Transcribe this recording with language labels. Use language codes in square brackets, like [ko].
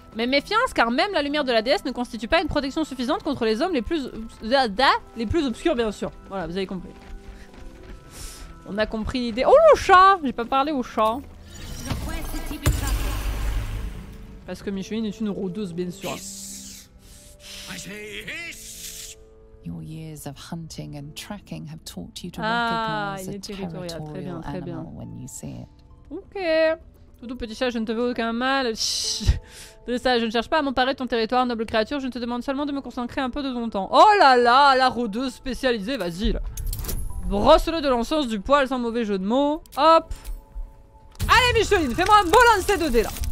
[fr] Mais méfiance, car même la lumière de la déesse ne constitue pas une protection suffisante contre les hommes les plus obscurs, bien sûr. Voilà, vous avez compris. On a compris l'idée. Oh, le chat ! J'ai pas parlé au chat. Parce que Micheline est une rôdeuse, bien sûr. [en] Your years of hunting and tracking have taught you to recognize a territorial animal when you see it. Ok. [fr] Toutou petit chat, je ne te veux aucun mal. Chut. Ça, je ne cherche pas à m'emparer de ton territoire, noble créature. Je te demande seulement de me consacrer un peu de ton temps. Oh là là, la rôdeuse spécialisée, vas-y là. Brosse-le de l'encens du poil sans mauvais jeu de mots. Hop. Allez Micheline, fais-moi un beau lancer de dés là.